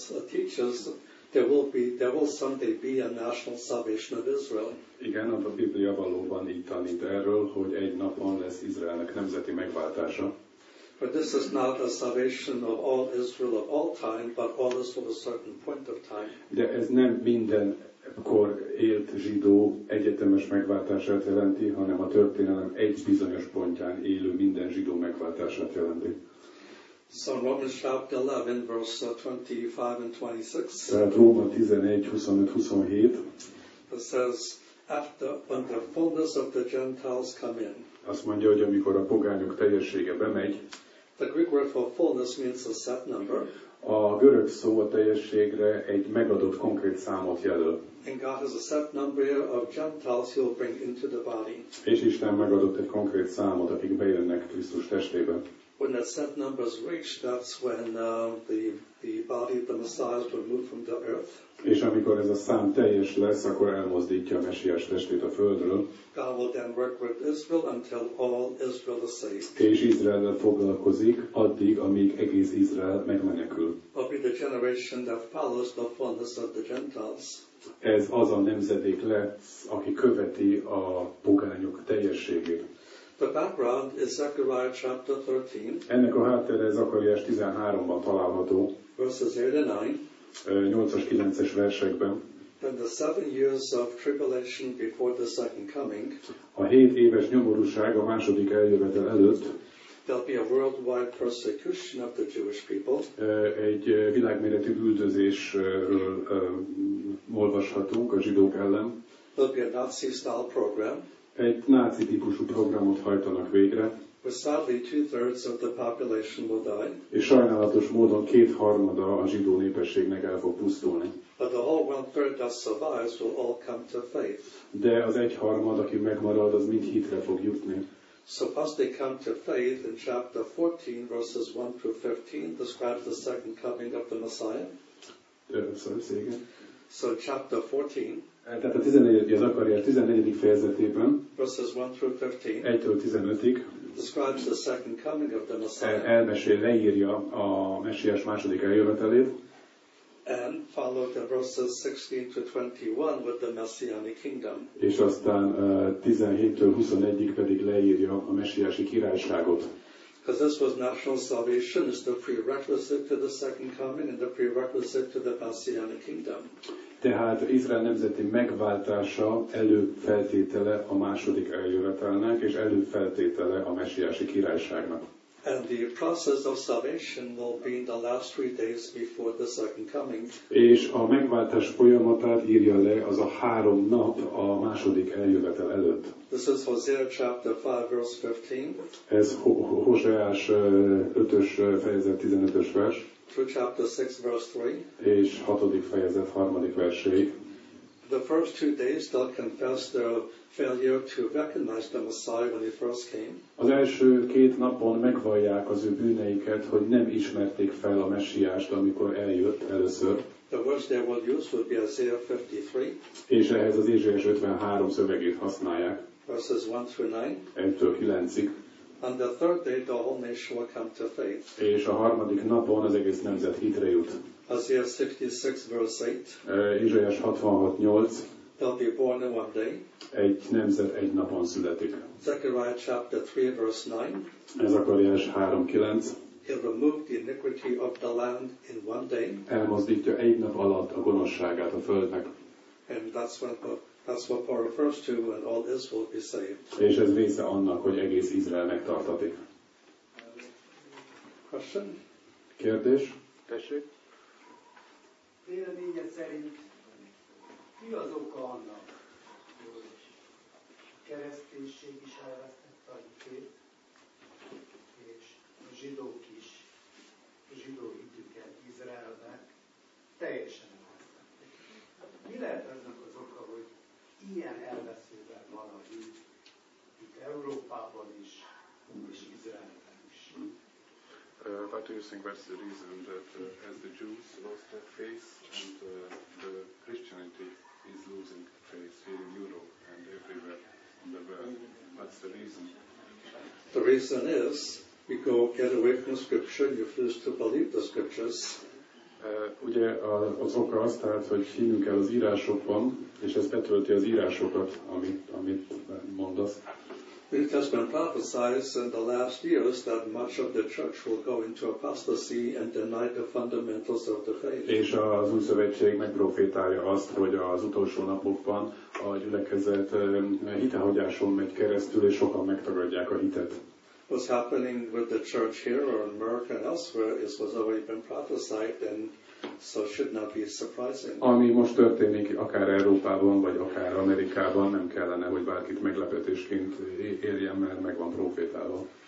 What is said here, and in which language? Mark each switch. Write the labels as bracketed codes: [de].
[en] Teaches there will someday be a national salvation of Israel. [hu] Igen, a Biblia valóban így tanít erről, hogy egy napon lesz Izraelnek nemzeti megváltása. [en] But this is not a salvation of all Israel of all time, but all Israel of a certain point of time. [hu] De ez nem minden kor élt zsidó egyetemes megváltását jelenti, hanem a történelem egy bizonyos pontján élő minden zsidó megváltását jelenti. [en] So Romans chapter 11, verse 25 and 26. [hu] Tehát Róma 11:25-27. [en] It says, after when the fullness of the Gentiles come in. [hu] Azt mondja, hogy amikor a pogányok teljessége bemegy. [en] The Greek word for fullness means a set number. [hu] A görög szó a teljességre egy megadott konkrét számot jelöl. [en] And God has a set number of Gentiles He will bring into the body. [hu] És Isten megadott egy konkrét számot, akik bejönnek Krisztus testébe. [en] when that set number is reached, that's when the body of the Messiah is removed from the earth. [hu] És amikor ez a szám teljes lesz, akkor elmozdítja a Mesiás testét a földről. [en] God will then work with Israel until all Israel is saved. [hu] És Izraellel foglalkozik addig, amíg egész Izrael megmenekül. [en] But the generation that follows the fullness of the Gentiles. [hu] Ez az a nemzedék lesz, aki követi a pogányok teljességét. [en] The background is Zechariah chapter 13. [hu] Ennek a háttere Zakariás 13-ban található. [en] Verses 8 and 9. [hu] 8-as, 9-es versekben. [en] Then the 7 years of tribulation before the second coming. [hu] A 7 éves nyomorúság a második eljövetel előtt. [en] There'll be a worldwide persecution of the Jewish people. [hu] Egy világméretű üldözésről olvashatunk a zsidók ellen. [en] There'll be a Nazi-style program. [hu] Egy náci típusú programot hajtanak végre. [en] But sadly, 2/3 of the population will die. [hu] És sajnálatos módon 2/3 a zsidó népességnek el fog pusztulni. [en] But the whole 1/3 that survives will all come to faith. [hu] De az 1/3, aki megmarad, az mind hitre fog jutni. [en] So as they come to faith in chapter 14, verses 1-15, describes the second coming of the Messiah. So chapter 14. [hu] Tehát a 14. Zakariás 14. fejezetében. [en] Verses 1-15. [hu] 1-15. [en] Describes the second coming of the Messiah. [hu] Elmesél, leírja a Mesiás második eljövetelét. [en] And follow the verses 16-21 with the Messianic kingdom. [hu] És aztán 17-21 pedig leírja a Mesiási királyságot. [en] Because this was national salvation, is the prerequisite to the second coming and the prerequisite to the Messianic kingdom. [hu] Tehát Izrael nemzeti megváltása előfeltétele a második eljövetelnek, és előfeltétele a Mesiási királyságnak. [en] And the process of salvation will be in the last 3 days before the second coming. [hu] És a megváltás folyamatát írja le az a 3 nap a második eljövetel előtt. [en] This is Hosea chapter 5 verse 15. [hu] Ez Hoseás 5-ös fejezet 15-ös vers. [en] Through chapter 6 verse 3. [hu] És 6. fejezet 3. verséig. [en] The first 2 days they'll confess their failure to recognize the Messiah when he first came. [hu] Az első 2 napon megvallják az ő bűneiket, hogy nem ismerték fel a Messiást, amikor eljött először. [en] The verse they will use would be Isaiah 53. [hu] És ehhez az Ézsaiás 53 szövegét használják. [en] Verses 1-9. [hu] 1-9. [en] On the 3rd day, the whole nation will come to faith. [hu] És a 3. napon az egész nemzet hitre jut. [en] Isaiah 66 verse 8. [hu] Ézsaiás 66:8. [en] They'll be born in 1 day. [hu] Egy nemzet 1 napon születik. [en] Zechariah chapter 3 verse 9. [hu] Ez Zakariás 3:9. [en] He'll remove the iniquity of the land in 1 day. [hu] Elmozdítja 1 nap alatt a gonoszságát a földnek. [en] And that's when that's what Paul refers to when all this will be saved. [hu] És ez része annak, hogy egész Izrael megtartatik. [en] Question? [hu] Kérdés? Tessék. Véleménye szerint mi az oka annak, hogy kereszténység is elvesztette a hitét, és a zsidók is a zsidó hitüket Izraelnek teljesen elvesztették. Mi lehet aznak az oka, hogy ilyen elveszőben van a hit itt Európában is, és Izraelben is? [en] What do you think was the reason that as the Jews lost their faith and the Christianity is losing faith here in Europe and everywhere in the world? What's the reason? The reason is we go get away from Scripture and you refuse to believe the Scriptures. [hu] Ugye az oka az, tehát, hogy hinnünk el az írásokban, és ez betölti az írásokat, amit mondasz. [en] It has been prophesied in the last years that much of the church will go into apostasy and deny the fundamentals of the faith. [hu] És az Új Szövetség megprofétálja azt, hogy az utolsó napokban a gyülekezet hitehagyáson megy keresztül, és sokan megtagadják a hitet. [en] What's happening with the church here or in America and elsewhere is was already been prophesied and so should not be surprising. [hu] Ami most történik akár Európában, vagy akár Amerikában, nem kellene, hogy bárkit meglepetésként érjen, mert meg van profétálva.